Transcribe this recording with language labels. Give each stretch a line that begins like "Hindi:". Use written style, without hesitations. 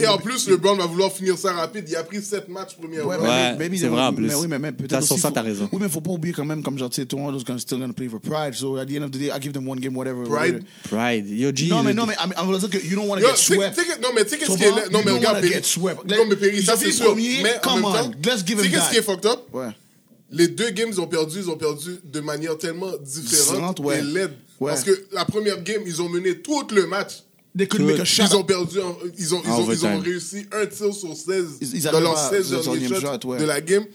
French: Et en plus, LeBron va vouloir finir ça rapide. Il a pris 7 matchs premier round. Ouais, c'est vrai en plus. Mais oui, mais peut-être. Sur ça, t'as raison. Oui, mais faut pas oublier quand même, comme genre, tu sais,
English: Toronto's gonna still gonna play for pride. So at the end of the day, I give them one game, whatever. Pride. Whatever. Pride. Yo, G.
French: Non, mais
English: I'm gonna say que you don't wanna get swept.
French: Non, mais tu sais qu'est-ce qui est là. Non, mais regarde,
English: get swept.
French: Non, mais Perry, ça c'est sûr. Mais
English: come on, let's give him that.
French: Tu sais qu'est-ce qui est fucked up? Ouais. Les deux games, ils ont perdu de manière tellement différente ouais. Et laide. Ouais. Parce que la première game, ils ont mené tout le match. Ils ont perdu, ils ont réussi un tir sur 16 dans leurs 16 derniers shots de la game.